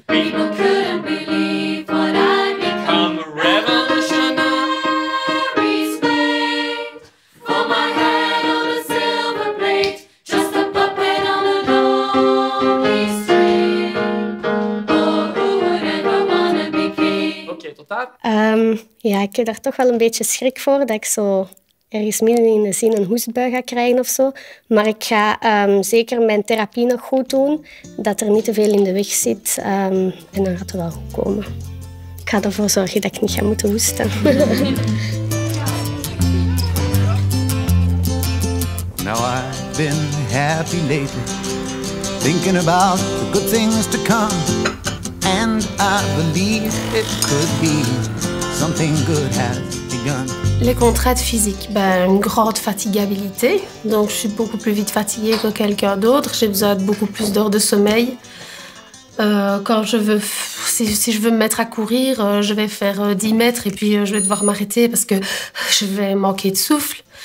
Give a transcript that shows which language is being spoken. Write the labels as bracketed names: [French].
[English] People couldn't believe what I become. I'm a revolutionary slave. For my head on a silver plate. Just a puppet on a lonely string. Oh, who would ever wanna be king? [Dutch] Oké, tot daar. Ja, ik heb daar toch wel een beetje schrik voor, dat ik zo ergens midden in de zin een hoestbui ga krijgen of zo. Maar ik ga zeker mijn therapie nog goed doen, dat er niet te veel in de weg zit. En dan gaat het wel goed komen. Ik ga ervoor zorgen dat ik niet ga moeten hoesten. [English] Now I've been happy lately, thinking about the good things to come. And I believe it could be. Something good has begun. [French] Les contraintes physiques, une grande fatigabilité. Donc, je suis beaucoup plus vite fatiguée que quelqu'un d'autre. J'ai besoin de beaucoup plus d'heures de sommeil. Si je veux me mettre à courir, je vais faire 10 mètres et puis je vais devoir m'arrêter parce que je vais manquer de souffle.